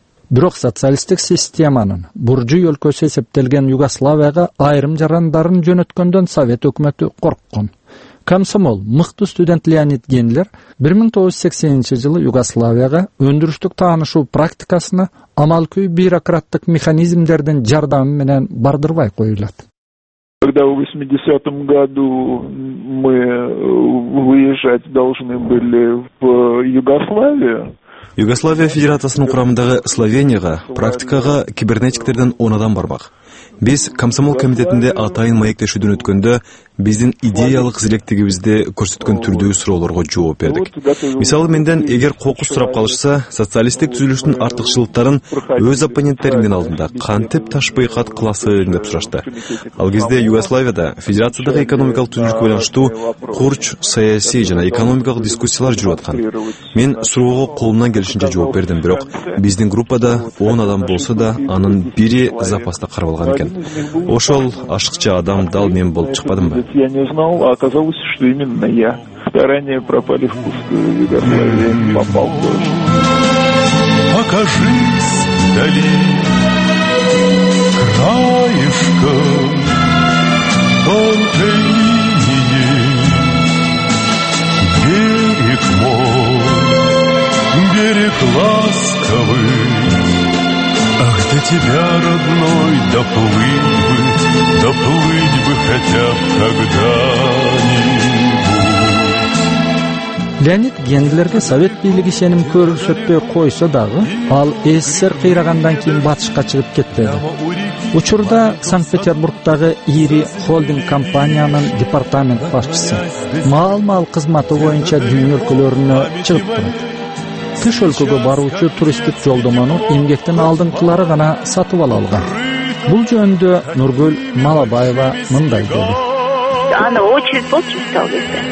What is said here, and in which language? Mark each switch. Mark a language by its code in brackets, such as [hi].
[ky] Бирок социалисттик системанын буржуй өлкөсү эсептелген Югославияга айрым жарандарын жөнөткөндөн совет өкмөтү корккон. Комсомол мыкты студент Леонид Гендлер 1980 жылы Югославияга өндүрүштүк таанышуу практикасына амалкүй бюрократтык механизмдердин жардамы менен бардырбай коюлат. [ru] Когда в 80-м году мы выезжать должны были в Югославию, [ky] Югославия Федерациясынын курамындагы Словенияга практикага кибернетиктерден 10 адам бармак. Биз комсомол комитетинде атайын маектешүүдөн өткөндө биздин идеялык зиректигибизде көрсөткөн түрдүү суроолорго жооп бердик. Мисалы, менден эгер кокус сурап калышса, социалисттик түзүлүштүн артыкчылыктарын өз оппоненттеримдин алдында кантип ташпыйкат кыласың деп сурашты. Ал кезде Югославияда федерациядагы экономикалык түзүлүшкө байланыштуу курч, саясий жана экономикалык дискуссиялар жүрүп аткан. Мен суроого колумдан келишинче жооп бердим, бирок биздин группада 10 адам болсо да, анын бири запаста карабалган экен. Ошол ашыкча адам дал мен болуп чыкпадым. [ru] Я не знал, а оказалось, что именно я. Старания пропали в пустую, Югославия попал тоже. Покажись вдали краешком тонкой линии, берег мой, берег ласковый. Ах, до тебя, родной, доплыть бы, доплыть бы хотя б когда-нибудь. [ky] Леонид Гендлерге совет бийлиги сенім көрсөтпөй койсо дагы, ал СССР кыйрагандан кийин батышка чыгып кетти. Учурда Санкт-Петербургдагы ири холдинг компаниянын департамент башчысы. Маал-маал кызматы боюнча дүйнө өлкөлөрүнө чыгып турат. Тыш өлкөгө баруучу туристтик жолдоманы эмгектен алдыңкылары гана сатып ала алган. Бул жөнүндө Нургүл Малабаева мындай деди. Аны очередь болчу стал десе.